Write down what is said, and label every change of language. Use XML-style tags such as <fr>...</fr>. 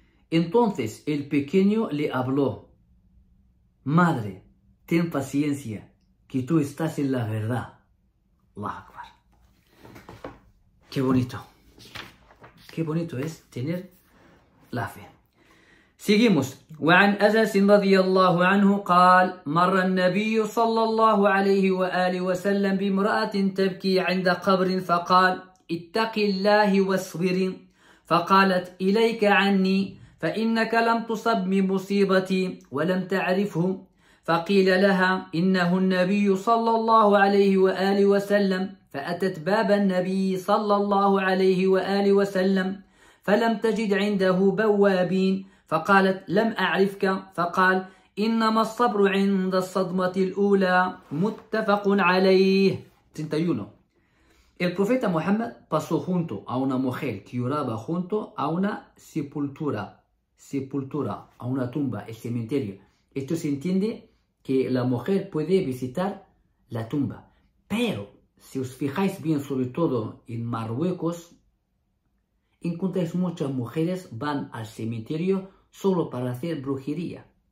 <es>Entonces el pequeño le habló, madre, ten paciencia, que tú estás en la verdad. Allahu Akbar. Qué bonito. Qué bonito es tener la fe. Seguimos.</es> <ar>وعن أنس رضي الله عنه قال مر النبي صلى الله عليه وآله وسلم بامرأة تبكي عند قبر فقال اتق الله واصبر فقالت إليك عني فإنك لم تصب من مصيبتي ولم تعرفه فقيل لها إنه النبي صلى الله عليه وآله وسلم فأتت باب النبي صلى الله عليه وآله وسلم فلم تجد عنده بوابين فقالت لم أعرفك فقال إنما الصبر عند الصدمة الأولى متفق عليه.</ar> <es>31. El profeta Muhammad pasó junto a una mujer que lloraba junto a una sepultura, a una tumba, el cementerio. Esto se entiende que la mujer puede visitar la tumba. Pero si os fijáis bien, sobre todo en Marruecos, encontráis muchas mujeres van al cementerio solo para hacer brujería.</es>